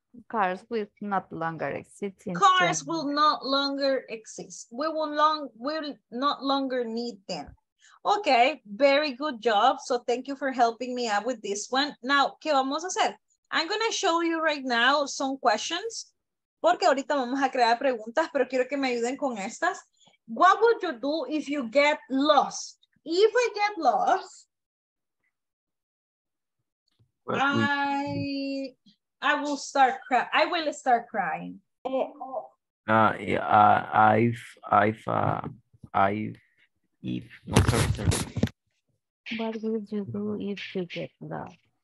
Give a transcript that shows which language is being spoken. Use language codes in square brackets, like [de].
[en] Cars will not longer exist. Cars will not longer exist. We'll not longer need them. Okay, very good job. So thank you for helping me out with this one. Now, [es] ¿qué vamos a hacer? [en] I'm going to show you right now some questions. [es] Porque ahorita vamos a crear preguntas, pero quiero que me ayuden con estas. [en] What would you do if you get lost? If I get lost, I will start crying. What would you do if you get lost?